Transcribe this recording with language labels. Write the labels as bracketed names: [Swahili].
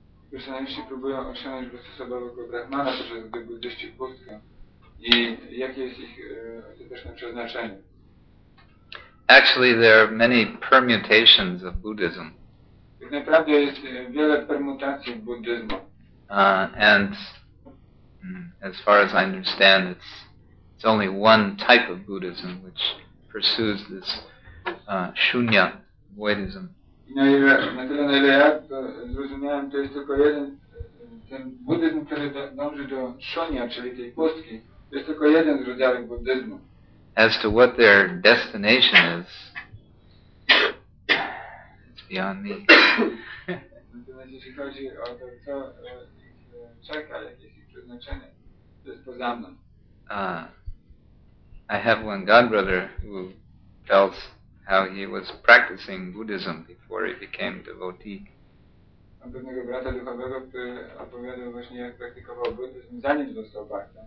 [Polish] Krishnaiści próbują osiągnąć bezosobowego Brahmana przez buddyści pustkę. I jakie jest ich ostateczne przeznaczenie? [English] Actually, there are many permutations of Buddhism. [Polish] Tak naprawdę jest wiele permutacji buddyzmu. [English] And as far as I understand, it's only one type of Buddhism which pursues this shunya, voidism. [Polish] Na tyle, ja zrozumiałem, to jest tylko jeden ten buddyzm, który dąży do shunya, czyli tej pustki. Jest tylko jeden z rodzajów buddyzmu. [English] As to what their destination is, it's beyond me. [Polish] Natomiast jeśli chodzi o to, co ich czeka, jakie jest ich przeznaczenie, to jest poza mną. [English] I have one god brother who tells how he was practicing Buddhism before he became devotee. [Polish] Mam pewnego brata duchowego, który opowiadał właśnie, jak praktykował buddyzm, zanim został bhakta.